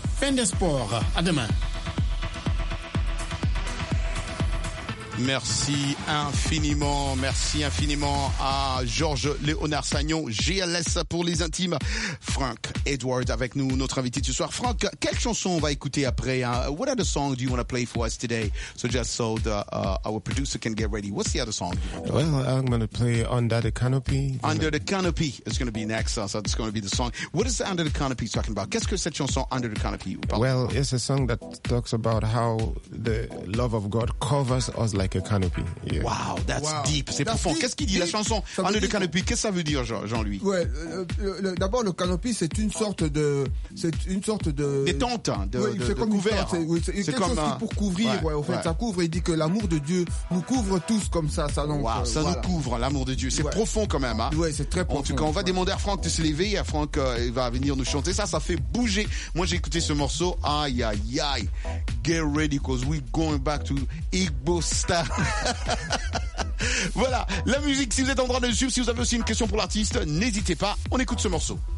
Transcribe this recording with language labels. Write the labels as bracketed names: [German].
[French] Fin des sports, à demain. Merci infiniment. Merci infiniment à Georges Léonard Sagnon, GLS pour les intimes. Frank Edward avec nous, notre invité ce soir. Frank, quelle chanson on va écouter après, hein? [English] What other song do you want to play for us today? So just so the, our producer can get ready. What's the other song? Well, I'm going to play Under the Canopy. Under the Canopy is going to be next. So it's going to be the song. What is Under the Canopy talking about? [French] Qu'est-ce que cette chanson [English] Under the Canopy? Well, it's a song that talks about how the love of God covers us like a canopy. Yeah. Wow, that's deep. [French] C'est profond. Deep. Qu'est-ce qu'il dit, deep. La chanson ça Under the Canopy? Qu'est-ce que ça veut dire, Jean-Louis? Ouais, d'abord, le canopy, c'est une sorte de... C'est une sorte de... Des tentes, hein, de couvert. C'est, oui, c'est quelque comme chose un... qui pour couvrir, ouais, ouais, en fait. Ouais. Ça couvre, il dit que l'amour de Dieu nous couvre tous comme ça. Ça, donc, wow, ça voilà. Nous couvre, l'amour de Dieu. C'est ouais. Profond quand même. Hein. Ouais, c'est très profond. En tout cas, on va demander à Franck de se lever. À Franck, il va venir nous chanter. Ça, ça fait bouger. Moi, j'ai écouté ce morceau. Aïe, aïe, aïe. [English] Get ready, cause we're going back to Igbo style. [French] Voilà, la musique, si vous êtes en droit de le suivre, si vous avez aussi une question pour l'artiste, n'hésitez pas, on écoute ce morceau.